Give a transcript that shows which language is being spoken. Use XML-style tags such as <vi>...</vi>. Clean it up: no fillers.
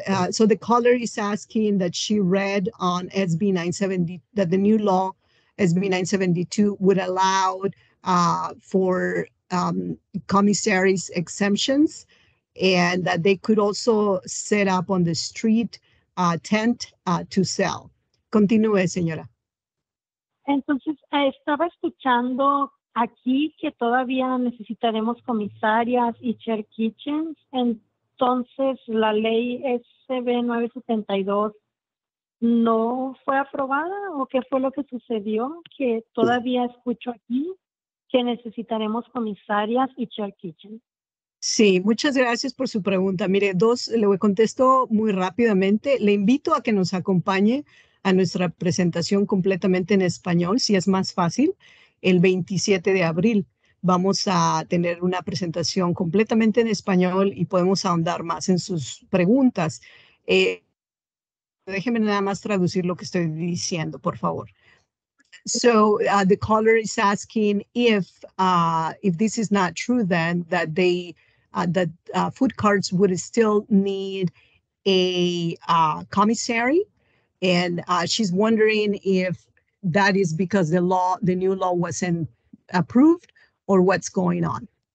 <en>So the caller is asking that she read on SB 970, that the new law, SB 972, would allow for commissaries exemptions, and that they could also set up on the street tent to sell.</en> <es>Continúe, señora. Entonces, estaba escuchando aquí que todavía necesitaremos comisarias y share kitchens, entonces la ley SB972 no fue aprobada, o qué fue lo que sucedió, que todavía escucho aquí que necesitaremos comisarias y share kitchens. Sí, muchas gracias por su pregunta. Mire, le voy a contestar muy rápidamente. Le invito a que nos acompañe a nuestra presentación completamente en español, si es más fácil, el 27 de abril. vamos a tener una presentación completamente en español y podemos ahondar más en sus preguntas. Déjenme nada más traducir lo que estoy diciendo, por favor.</es> <en>So the caller is asking if this is not true, then that they food carts would still need a commissary, and she's wondering if that is because the new law wasn't approved, or what's going on.</en>